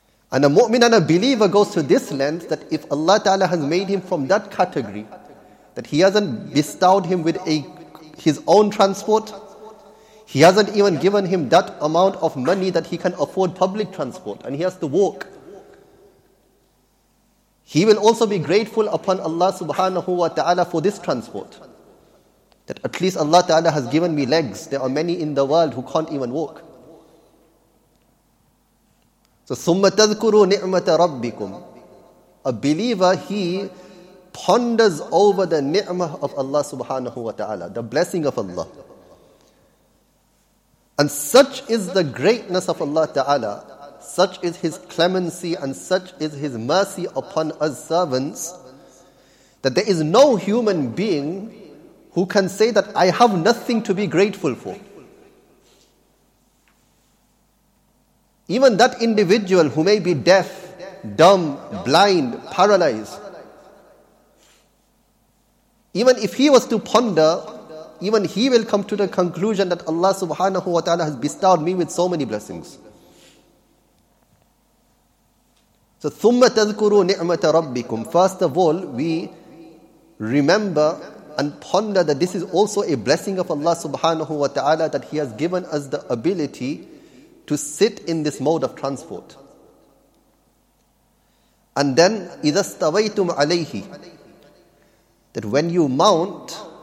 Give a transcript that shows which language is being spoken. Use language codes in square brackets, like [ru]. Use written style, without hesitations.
[en] And a mu'min and a believer goes to this length, that if Allah Ta'ala has made him from that category, that he hasn't bestowed him with his own transport, he hasn't even given him that amount of money that he can afford public transport, and he has to walk, he will also be grateful upon Allah subhanahu wa ta'ala for this transport. That at least Allah ta'ala has given me legs. There are many in the world who can't even walk. So, [ar] ثُمَّ تَذْكُرُوا نِعْمَةَ رَبِّكُمْ. [en] A believer, he ponders over the ni'mah of Allah subhanahu wa ta'ala, the blessing of Allah. And such is the greatness of Allah ta'ala, such is his clemency and such is his mercy upon us servants, that there is no human being who can say that I have nothing to be grateful for. Even that individual who may be deaf, dumb, blind, paralyzed, even if he was to ponder, even he will come to the conclusion that Allah subhanahu wa ta'ala has bestowed me with so many blessings. So, [ar] ثُمَّ تَذْكُرُوا نِعْمَةَ رَبِّكُمْ. [en] First of all, we remember and ponder that this is also a blessing of Allah subhanahu wa ta'ala, that He has given us the ability to sit in this mode of transport. And then, [ar] إِذَا اسْتَوَيْتُمْ عَلَيْهِ, [en] that when you mount